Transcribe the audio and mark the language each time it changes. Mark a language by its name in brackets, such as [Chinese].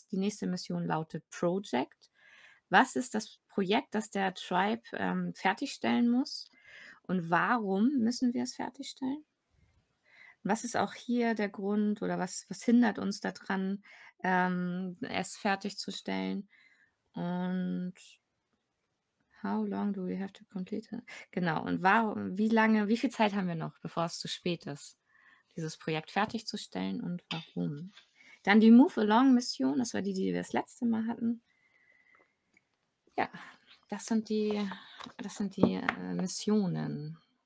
[German] Die nächste Mission lautet Project. Was ist das Projekt, das der Tribe fertigstellen muss? Und warum müssen wir es fertigstellen? Was ist auch hier der Grund oder was hindert uns daran, es fertigzustellen? [English] Und how long do we have to complete it? [German] Genau, und warum, wie viel Zeit haben wir noch, bevor es zu spät ist, dieses Projekt fertigzustellen und warum? Dann die Move-Along-Mission, das war die, die wir das letzte Mal hatten. Ja, das sind die Missionen.